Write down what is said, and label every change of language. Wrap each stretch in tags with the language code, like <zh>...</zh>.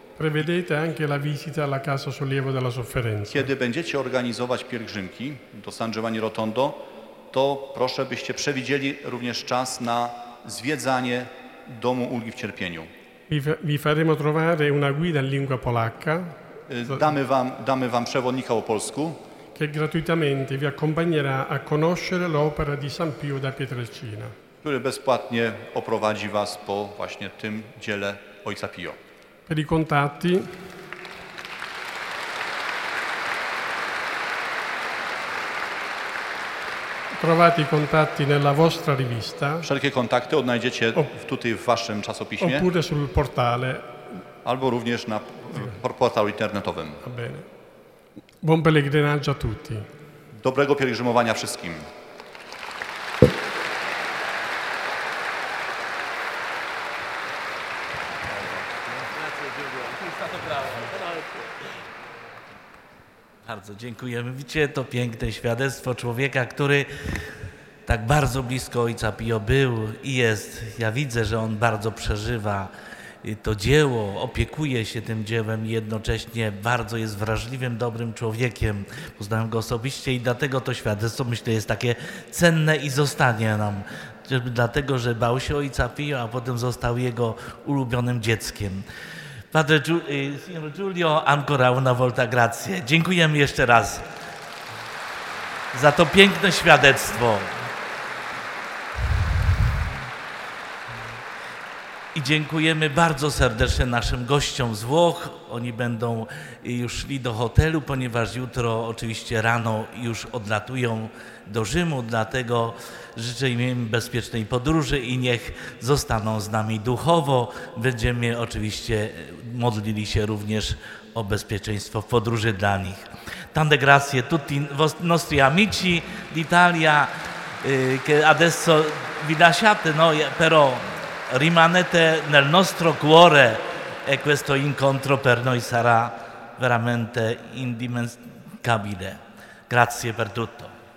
<it>Prevedete anche la visita alla Casa Sollievo della Sofferenza.</it> <pl>Kiedy będziecie organizować pielgrzymki do San Giovanni Rotondo, to proszę, byście przewidzieli również czas na zwiedzanie Domu Ulgi w Cierpieniu.</pl> <it>Vi faremo trovare una guida in lingua polacca.</it> <pl>Damy wam przewodnika po polsku,</pl> <it>che gratuitamente vi accompagnerà a conoscere l'opera di San Pio da Pietrelcina.</it> <pl>Który bezpłatnie oprowadzi was po właśnie tym dziele ojca Pio.</pl> <it>Per i contatti. Trovate i contatti nella vostra rivista.</it> <pl>Wszelkie kontakty odnajdziecie tutaj w waszym czasopiśmie.</pl> <it>Oppure sul portale.</it> <pl>Albo również na portalu internetowym.</pl> <it>Va bene. Buon pellegrinaggio a tutti.</it> <pl>Dobrego pielgrzymowania wszystkim. Bardzo dziękujemy. Widzicie, to piękne świadectwo człowieka, który tak bardzo blisko ojca Pio był i jest. Ja widzę, że on bardzo przeżywa to dzieło, opiekuje się tym dziełem i jednocześnie bardzo jest wrażliwym, dobrym człowiekiem. Poznałem go osobiście i dlatego to świadectwo, myślę, jest takie cenne i zostanie nam. Dlatego, że bał się ojca Pio, a potem został jego ulubionym dzieckiem.</pl> <it>Padre signor Giulio, ancora una volta grazie.</it> <pl>Dziękujemy jeszcze raz za to piękne świadectwo. I dziękujemy bardzo serdecznie naszym gościom z Włoch. Oni będą już szli do hotelu, ponieważ jutro oczywiście rano już odlatują do Rzymu. Dlatego życzę im bezpiecznej podróży i niech zostaną z nami duchowo. Będziemy oczywiście modlili się również o bezpieczeństwo w podróży dla nich.</pl> <it>Tante grazie tutti i nostri amici d'Italia che adesso vi lasciate noi, però rimanete nel nostro cuore e questo incontro per noi sarà veramente indimenticabile. Grazie per tutto.</it>